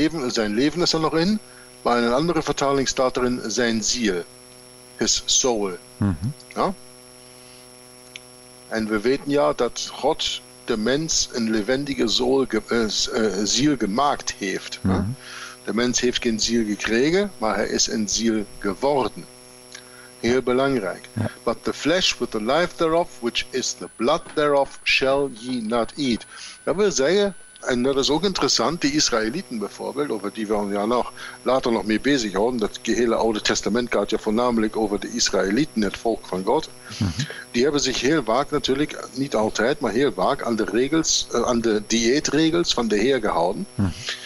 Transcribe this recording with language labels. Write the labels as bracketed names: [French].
[Dutch] Zijn leven is er nog in. Maar in een andere vertaling staat erin zijn ziel, [English] his soul. [Dutch] Mm-hmm. Ja? En we weten ja dat God de mens een levendige ziel gemaakt heeft. Mm-hmm. Ja? De mens heeft geen ziel gekregen, maar hij is een ziel geworden. Heel belangrijk. Ja. [English] But the flesh with the life thereof, which is the blood thereof, shall ye not eat. [Dutch] Dat wil zeggen... En dat is ook interessant, die Israëlieten bijvoorbeeld, over die we ja nog later nog mee bezig houden, dat gehele Oude Testament gaat ja voornamelijk over de Israëlieten, het volk van God, die hebben zich heel vaak natuurlijk, niet altijd, maar heel vaak aan de regels, aan de dieetregels van de Heer gehouden. Mm-hmm.